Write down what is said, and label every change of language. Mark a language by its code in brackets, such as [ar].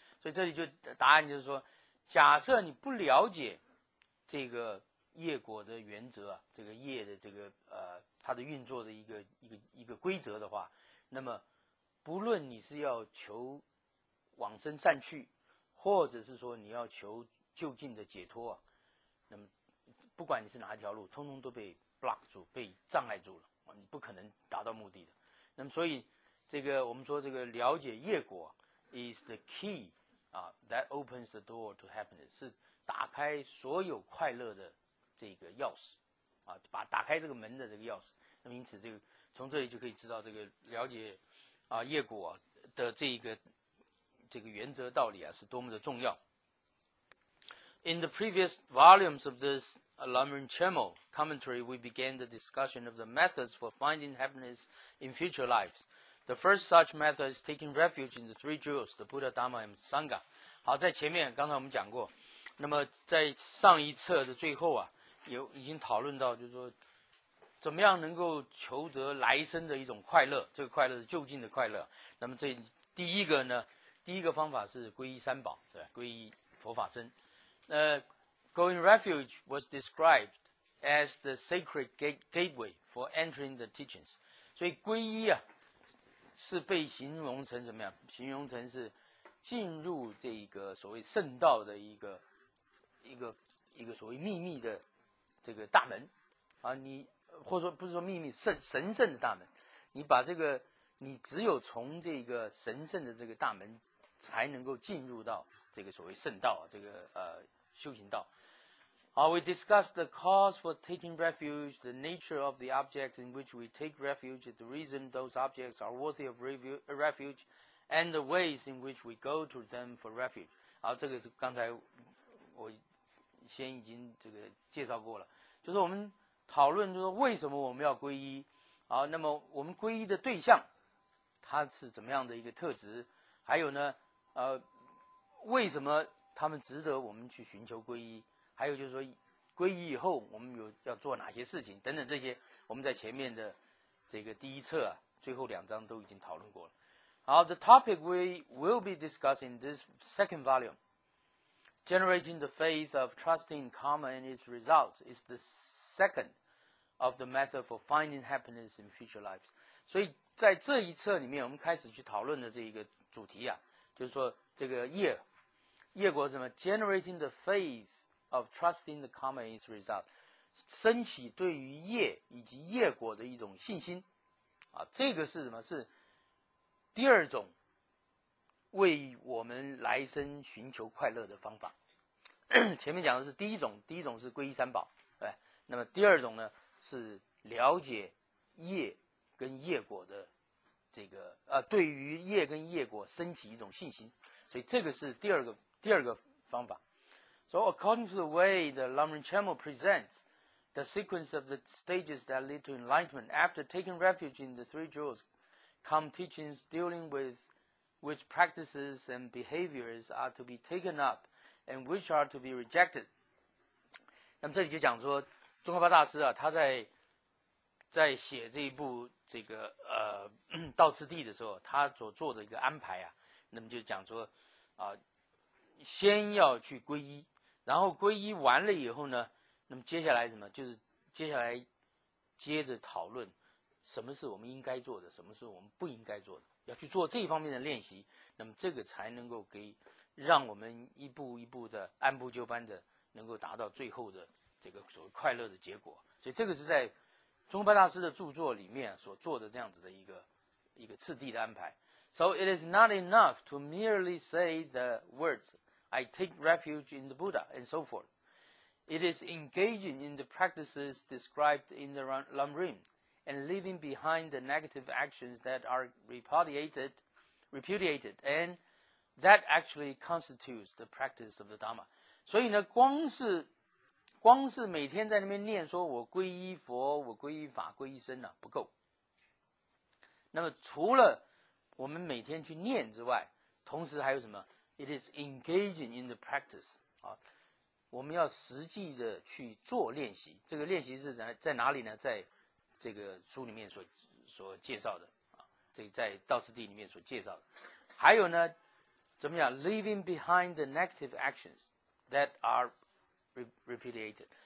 [zh] 所以这里就答案就是说，假设你不了解这个业果的原则、啊、这个业的这个它的运作的一个规则的话，那么不论你是要求往生善去，或者是说你要求就近的解脱、啊、那么不管你是哪一条路，通通都被 block 住，被障碍住了，你不可能达到目的的。那么所以这个我们说这个了解业果 [en] is the key、that opens the door to happiness， [zh] 是打开所有快乐的这个钥匙啊，把打开这个门的这个钥匙。那么因此这个从这里就可以知道这个了解啊业果的这个原则道理啊是多么的重要。 [en] In the previous volumes of this Lamrim Chemo commentary, we began the discussion of the methods for finding happiness in future lives. The first such method is taking refuge in the three jewels, the Buddha, Dhamma, and Sangha. [zh] 好，在前面刚才我们讲过，那么在上一册的最后啊，有已经讨论到，就是说怎么样能够求得来生的一种快乐，这个快乐是就近的快乐。那么这第一个呢，第一个方法是皈依三宝，对吧？皈依佛法僧。 [en] Going refuge was described as the sacred gateway for entering the teachings. [zh] 所以皈依啊，是被形容成什么样？形容成是进入这一个所谓圣道的一个所谓秘密的这个大门啊，你或者说不是说秘密，神圣的大门，你把这个，你只有从这个神圣的这个大门才能够进入到这个所谓圣道，这个修行道。 [en] 好， we discussed the cause for taking refuge, the nature of the objects in which we take refuge, the reason those objects are worthy of refuge, and the ways in which we go to them for refuge. [zh] 好，这个是刚才我先已经这个介绍过了，就是我们讨论就是为什么我们要皈依，好，那么我们皈依的对象它是怎么样的一个特质，还有呢为什么他们值得我们去寻求皈依，还有就是说皈依以后我们有要做哪些事情等等，这些我们在前面的这个第一册啊最后两章都已经讨论过了。 [en] 好， the topic we will be discussing this second volumeGenerating the faith of trusting karma and its results is the second of the method for finding happiness in future lives. [zh] 所以在这一册里面我们开始去讨论的这一个主题啊，就是说这个业果是什么？ [en] Generating the faith of trusting the karma and its results. [zh] 升起对于业以及业果的一种信心。啊，这个是什么？是第二种为我们来生寻求快乐的方法。前面讲的是第一种是皈依三宝，哎，那么第二种呢是了解业跟业果的这个对于业跟业果升起一种信心，所以这个是第二个方法。 [en] So according to the way the Lama Chamo presents the sequence of the stages that lead to enlightenment, after taking refuge in the three jewels, come teachings dealing with which practices and behaviors are to be taken up and which are to be rejected. [zh] 那么这里就讲说，宗喀巴大师啊，他在写这一部这个道次第的时候，他所做的一个安排啊，那么就讲说啊，先要去皈依。然后皈依完了以后呢，那么接下来什么？就是接下来接着讨论什么是我们应该做的，什么是我们不应该做的，要去做这方面的练习，那么这个才能够给让我们一步一步的按部就班的能够达到最后的这个所谓快乐的结果。所以这个是在宗喀巴大师的著作里面所做的这样子的一个次第的安排。 [en] So it is not enough to merely say the words,I take refuge in the Buddha, and so forth. It is engaging in the practices described in the Lamrim, and leaving behind the negative actions that are repudiated, and that actually constitutes the practice of the Dhamma. [zh] 所以呢，光是每天在那边念说我皈依佛，我皈依法，皈依僧啊，不够。那么除了我们每天去念之外，同时还有什么？ [en] It is engaging in the practice. [zh] 啊，我们要实际的去做练习。这个练习是在哪里呢？在这个书里面所介绍的啊，这个在道次第里面所介绍的。还有呢，怎么样 [en] ？Leaving behind the negative actions that are repudiated.